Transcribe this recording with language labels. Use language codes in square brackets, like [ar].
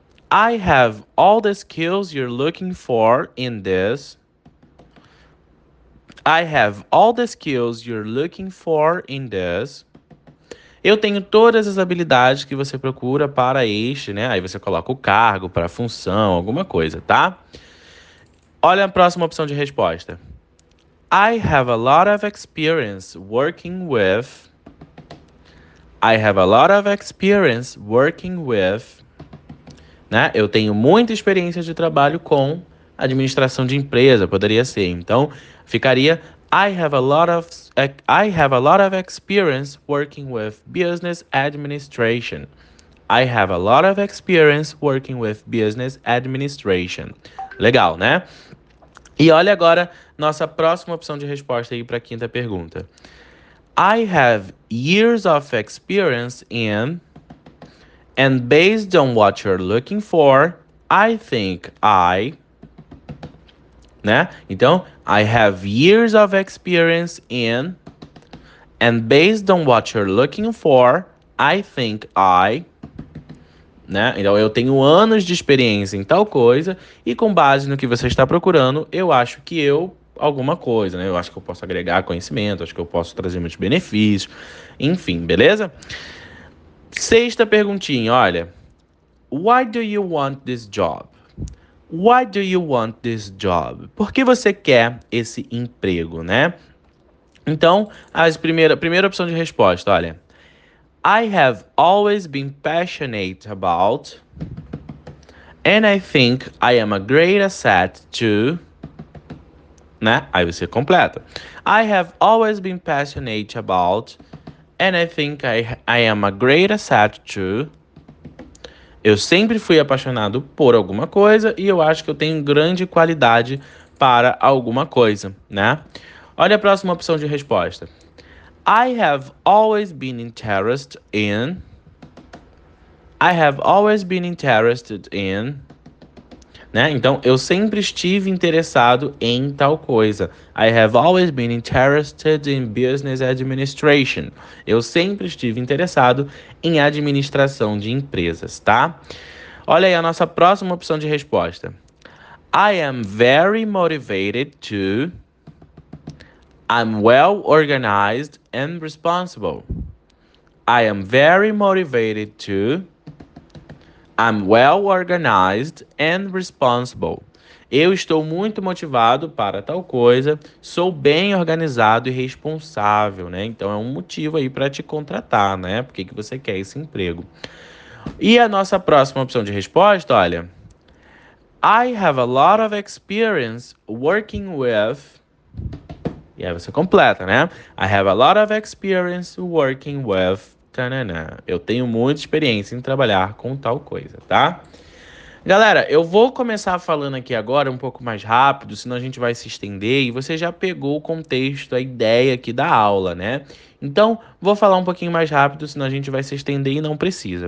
[en] I have all the skills you're looking for in this. I have all the skills you're looking for in this. [pt] Eu tenho todas as habilidades que você procura para este, né? Aí você coloca o cargo, para a função, alguma coisa, tá? Olha a próxima opção de resposta. [en] I have a lot of experience working with. I have a lot of experience working with. [pt] Né? Eu tenho muita experiência de trabalho com administração de empresa, poderia ser. Então, ficaria [en] I have a lot of experience working with business administration. I have a lot of experience working with business administration. [pt] Legal, né? E olha agora nossa próxima opção de resposta aí para a quinta pergunta. [en] I have years of experience in, and based on what you're looking for, I think I, [pt] né? Então, [en] I have years of experience in, and based on what you're looking for, I think I, [pt] né? Então, eu tenho anos de experiência em tal coisa, e com base no que você está procurando, eu acho que eu, alguma coisa, né? Eu acho que eu posso agregar conhecimento, acho que eu posso trazer muitos benefícios, enfim, beleza? Sexta perguntinha, olha. [en] Why do you want this job? Why do you want this job? [pt] Por que você quer esse emprego, né? Então, a primeira opção de resposta, olha. [en] I have always been passionate about, and I think I am a great asset to, [pt] né? Aí você completa. [en] I have always been passionate about, and I think I am a great asset to. [pt] Eu sempre fui apaixonado por alguma coisa e eu acho que eu tenho grande qualidade para alguma coisa, né? Olha a próxima opção de resposta. [en] I have always been interested in. I have always been interested in. [pt] Né? Então, eu sempre estive interessado em tal coisa. [en] I have always been interested in business administration. [pt] Eu sempre estive interessado em administração de empresas, tá? Olha aí a nossa próxima opção de resposta. [en] I am very motivated to. I'm well organized and responsible. I am very motivated to. I'm well organized and responsible. [pt] Eu estou muito motivado para tal coisa. Sou bem organizado e responsável, né? Então é um motivo aí para te contratar, né? Por que você quer esse emprego? E a nossa próxima opção de resposta, olha. [en] I have a lot of experience working with. [pt] E aí você completa, né? [en] I have a lot of experience working with. Tanana. [pt] Eu tenho muita experiência em trabalhar com tal coisa, tá? Galera, eu vou começar falando aqui agora um pouco mais rápido, senão a gente vai se estender e você já pegou o contexto, a ideia aqui da aula, né? Então, vou falar um pouquinho mais rápido, senão a gente vai se estender e não precisa.